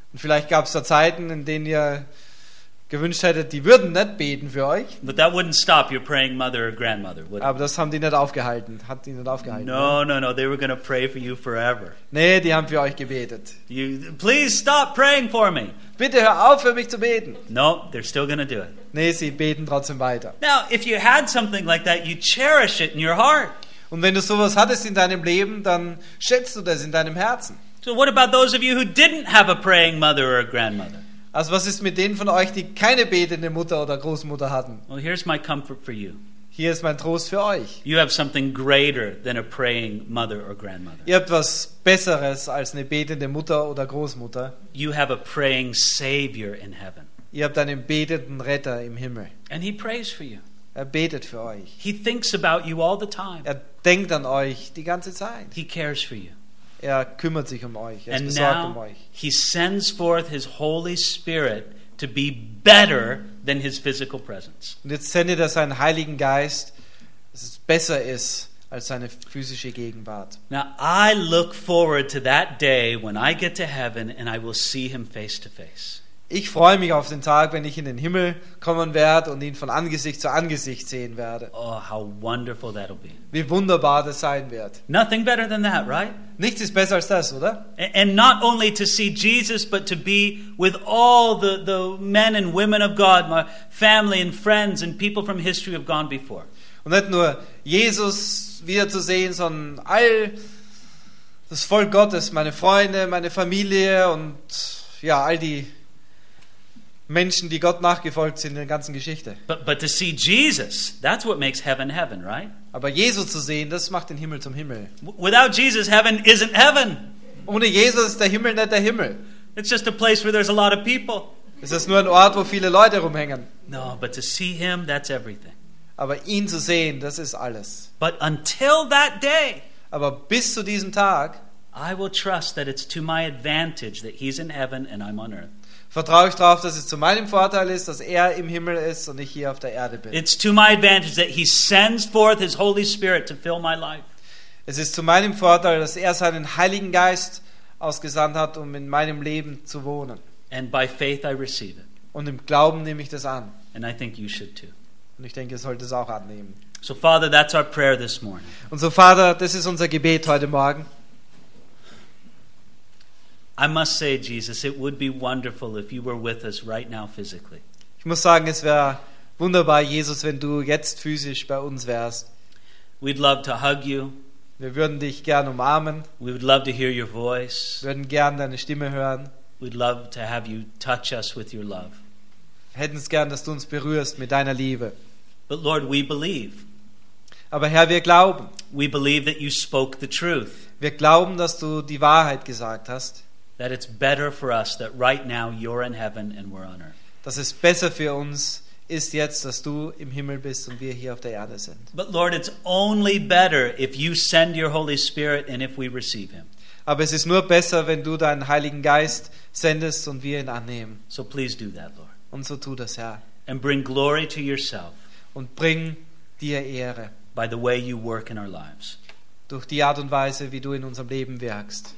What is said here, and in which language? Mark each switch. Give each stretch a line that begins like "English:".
German: Und vielleicht gab es da Zeiten, in denen ihr gewünscht hättet, die würden nicht beten für euch.
English: But that wouldn't stop your praying mother or grandmother, would it? Aber das haben die nicht aufgehalten. Hat die nicht aufgehalten? No. They were going to pray for you forever.
German: Nee, die haben für euch gebetet.
English: You, please stop praying for me.
German: Bitte hör auf, für mich zu beten.
English: No, they're still going to do it.
German: Nee, sie beten trotzdem weiter.
English: Now, if you had something like that, you cherish it in your heart.
German: Und wenn du sowas hattest in deinem Leben, dann schätzt du das in deinem Herzen.
English: So what about those of you who didn't have a praying mother or a grandmother?
German: Also was ist mit denen von euch, die keine betende Mutter oder Großmutter hatten?
English: Well, here's my comfort for you.
German: Hier ist mein Trost für euch.
English: You have something greater than a praying mother or grandmother.
German: Ihr habt was Besseres als eine betende Mutter oder Großmutter.
English: You have a praying Savior in heaven.
German: Ihr habt einen betenden Retter im Himmel.
English: And he prays for you.
German: Er betet für euch.
English: He thinks about you all the time.
German: Er denkt an euch die ganze Zeit.
English: He cares for you.
German: Er kümmert sich um euch.
English: And
German: besorgt
English: now
German: um euch.
English: He sends forth his Holy Spirit to be better than his physical presence.
German: Und jetzt sendet er seinen Heiligen Geist, dass es besser ist als seine physische Gegenwart.
English: Now I look forward to that day when I get to heaven and I will see him face to face.
German: Ich freue mich auf den Tag, wenn ich in den Himmel kommen werde und ihn von Angesicht zu Angesicht sehen werde.
English: Oh, how wonderful that'll be.
German: Wie wunderbar das sein wird.
English: Nothing better than that, right?
German: Nichts ist besser als das, oder?
English: And not only to see Jesus, but to be with all the men and women of God, my family and friends and people from history who have gone before.
German: Und nicht nur Jesus wiederzusehen, sondern all das Volk Gottes, meine Freunde, meine Familie und ja, all die Menschen, die Gott nachgefolgt sind in der ganzen Geschichte.
English: But to see Jesus, that's what makes heaven heaven, right?
German: Aber Jesus zu sehen, das macht den Himmel zum Himmel.
English: Without Jesus, heaven isn't heaven.
German: Ohne Jesus ist der Himmel nicht der Himmel.
English: It's just a place where there's a lot of people.
German: Es ist nur ein Ort, wo viele Leute rumhängen.
English: No, but to see him, that's everything.
German: Aber ihn zu sehen, das ist alles.
English: But until that day,
German: aber bis zu diesem Tag,
English: I will trust that it's to my advantage that he's in heaven and I'm on earth.
German: Vertraue ich darauf, dass es zu meinem Vorteil ist, dass er im Himmel ist und ich hier auf der Erde bin.
English: It's to my advantage that he sends forth his Holy Spirit to fill my life.
German: Es ist zu meinem Vorteil, dass er seinen Heiligen Geist ausgesandt hat, um in meinem Leben zu wohnen.
English: And by faith I receive it.
German: Und im Glauben nehme ich das an.
English: And I think you should too.
German: Und ich denke, ihr solltet es auch annehmen.
English: So Father, that's our prayer this morning.
German: Und so Vater, das ist unser Gebet heute Morgen.
English: I must say, Jesus, it would be wonderful if you were with us right now physically.
German: Ich muss sagen, es wäre wunderbar, Jesus, wenn du jetzt physisch bei uns wärst.
English: We'd love to hug you.
German: Wir würden dich gern umarmen.
English: We would love to hear your voice.
German: Wir würden gern deine Stimme hören.
English: We'd love to have you touch us with your love.
German: Wir hätten es gern, dass du uns berührst mit deiner Liebe.
English: But Lord, we believe.
German: Aber Herr, wir glauben.
English: We believe that you spoke the truth.
German: Wir glauben, dass du die Wahrheit gesagt hast.
English: That it's better for us that right now you're in heaven and we're on earth.
German: Dass es besser für uns ist jetzt, dass du im Himmel bist und wir hier auf der Erde sind.
English: But Lord, it's only better if you send your Holy Spirit and if we receive him.
German: Aber es ist nur besser, wenn du deinen Heiligen Geist sendest und wir ihn annehmen.
English: So please do that, Lord.
German: Und so tu das, Herr.
English: And bring glory to yourself.
German: Und bring dir Ehre.
English: By the way you work in our lives.
German: Durch die Art und Weise, wie du in unserem Leben wirkst.